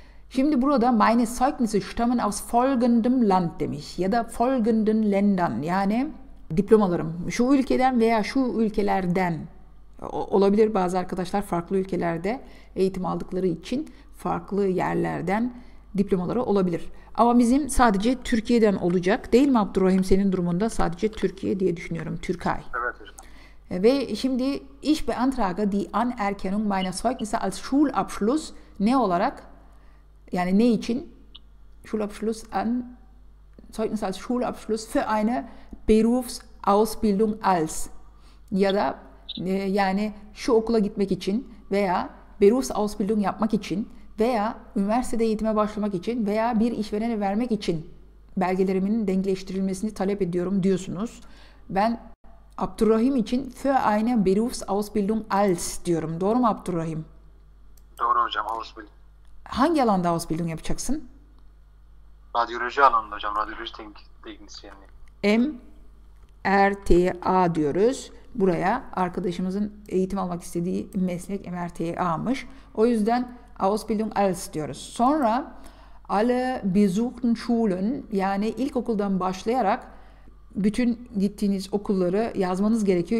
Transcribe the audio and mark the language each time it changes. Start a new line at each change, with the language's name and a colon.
Turkish: Şimdi burada
German: meine Zeugnisse stammen aus folgendem Land
Turkish: demiş ya da
German: folgenden Ländern,
Turkish: yani diplomalarım şu ülkeden veya şu ülkelerden olabilir. Bazı arkadaşlar farklı ülkelerde eğitim aldıkları için farklı yerlerden diplomaları olabilir. Ama bizim sadece Türkiye'den olacak, değil mi Abdurrahim? Senin durumunda sadece Türkiye diye düşünüyorum. Türkay. Ve şimdi
German: ich beantrage die Anerkennung meiner Zeugnisse als Schulabschluss
Turkish: ne olarak? Yani ne için?
German: Schulabschluss an Zeugnis als Schulabschluss für eine Berufsausbildung als
Turkish: ya da yani şu okula gitmek için veya Berufsausbildung yapmak için veya üniversitede eğitime başlamak için veya bir işverene vermek için belgelerimin denkleştirilmesini talep ediyorum diyorsunuz. Ben Abdurrahim için
German: für eine Berufsausbildung als
Turkish: diyorum. Doğru mu Abdurrahim? Doğru hocam, Ausbildung. Hangi alanda Ausbildung yapacaksın? Radyoloji alanında hocam, radyoloji teknisyenliği. MRTA diyoruz. Buraya arkadaşımızın eğitim almak istediği meslek MRTA'mış. O yüzden Ausbildung als diyoruz. Sonra
German: alle besuchten Schulen,
Turkish: yani ilkokuldan başlayarak bütün gittiğiniz okulları yazmanız gerekiyor.